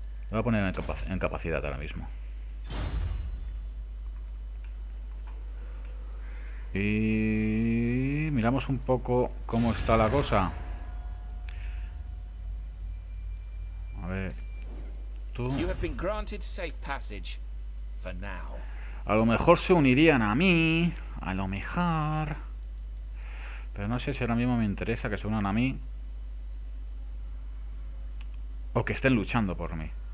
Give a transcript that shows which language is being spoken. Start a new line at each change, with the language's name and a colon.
Spanish: Lo voy a poner en capacidad ahora mismo. Y miramos un poco cómo está la cosa. A ver. Tú.
English: You have been granted safe passage for now.
Spanish: A lo mejor se unirían a mí. A lo mejor. Pero no sé si ahora mismo me interesa que se unan a mí. O que estén luchando por mí.